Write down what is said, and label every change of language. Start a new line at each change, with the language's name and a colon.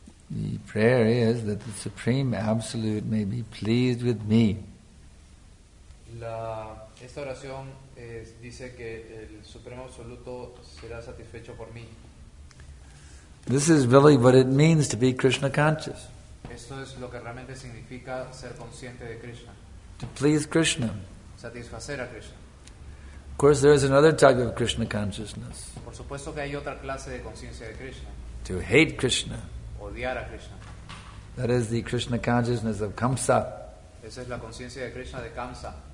English: The prayer is that the Supreme Absolute may be pleased with me.
Spanish: Esta oración dice que el Supremo Absoluto será satisfecho por mí.
English: This is really what it means to be Krishna conscious.
Spanish: Esto es lo que realmente significa ser consciente de Krishna.
English: To please Krishna.
Spanish: Satisfacer a Krishna.
English: Of course, there is another type of Krishna consciousness.
Spanish: Por supuesto que hay otra clase de conciencia de Krishna.
English: To hate Krishna.
Spanish: Odiar a Krishna.
English: That is the Krishna consciousness of Kamsa.
Spanish: Esa es la conciencia de Krishna de Kamsa.